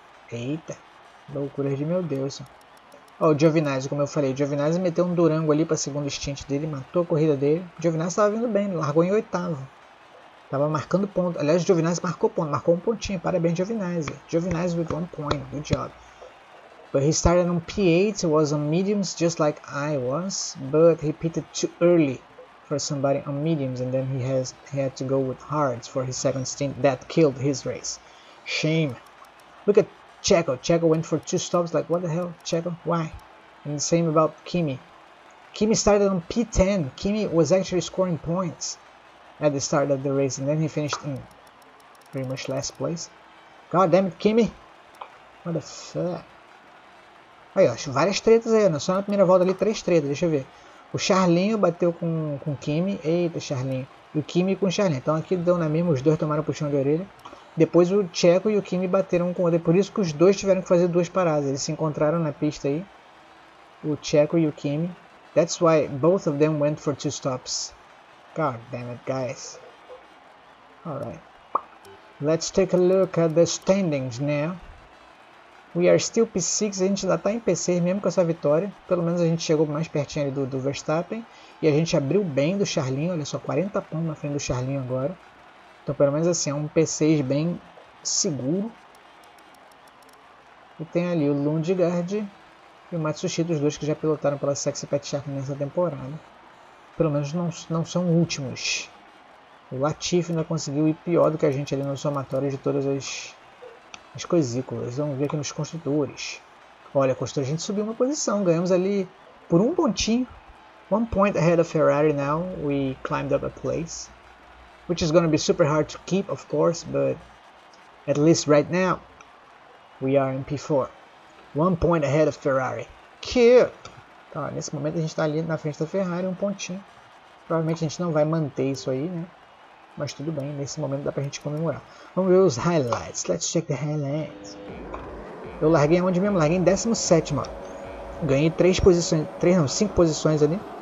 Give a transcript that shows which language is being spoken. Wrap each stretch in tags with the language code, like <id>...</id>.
<pt>Eita, loucura de meu Deus. Ó, o Giovinazzi, como eu falei, o Giovinazzi meteu um Durango ali para segundo stint dele, matou a corrida dele. O Giovinazzi tava vindo bem, largou em oitavo. Tava marcando ponto. Aliás, o Giovinazzi marcou ponto, marcou um pontinho. Parabéns, Giovinazzi.</pt> <en>Giovinazzi with one point, good job. But he started on P8, it was on mediums just like I was, but he pitted too early for somebody on mediums, and then he had to go with hards for his second stint. That killed his race. Shame. Look at Checo. Checo went for two stops, like, what the hell, Checo, why? And the same about Kimi. Kimi started on P10. Kimi was actually scoring points at the start of the race, and then he finished in pretty much last place. God damn it, Kimi. What the fuck?</en> <pt>Aí, ó, várias tretas aí, né? Só na primeira volta ali, três tretas, deixa eu ver. O Charlinho bateu com o Kimi. Eita, Charlinho. E o Kimi com o Charlinho. Então aqui deu na mesma, os dois tomaram um puxão de orelha. Depois o Checo e o Kimi bateram com o outro. Por isso que os dois tiveram que fazer duas paradas. Eles se encontraram na pista aí. O Checo e o Kimi.</pt> <en>That's why both of them went for two stops. God damn it, guys. Alright. Let's take a look at the standings now. We are still P6,</en> <pt>a gente ainda está em P6 mesmo com essa vitória. Pelo menos a gente chegou mais pertinho ali do Verstappen. E a gente abriu bem do Charlinho, olha só, 40 pontos na frente do Charlinho agora. Então pelo menos assim, é um P6 bem seguro. E tem ali o Lundgaard e o Matsushita, os dois que já pilotaram pela Sexy Pet Shark nessa temporada. Pelo menos não são últimos. O Latifi ainda conseguiu ir pior do que a gente ali no somatório de todas as coisículas. Vamos ver aqui nos construtores. Olha, construtor, a gente subiu uma posição. Ganhamos ali por um pontinho.</pt> <en>One point ahead of Ferrari now. We climbed up a place. Which is going to be super hard to keep, of course. But at least right now, we are in P4. One point ahead of Ferrari. Cute!</en> <pt>Ó, nesse momento a gente está ali na frente da Ferrari, um pontinho. Provavelmente a gente não vai manter isso aí, né? Mas tudo bem, nesse momento dá pra gente comemorar. Vamos ver os highlights.</pt> <en>Let's check the highlights.</en> <pt>Eu larguei aonde mesmo? Larguei em 17º. Ganhei 3 posições, 3 não, 5 posições ali.</pt>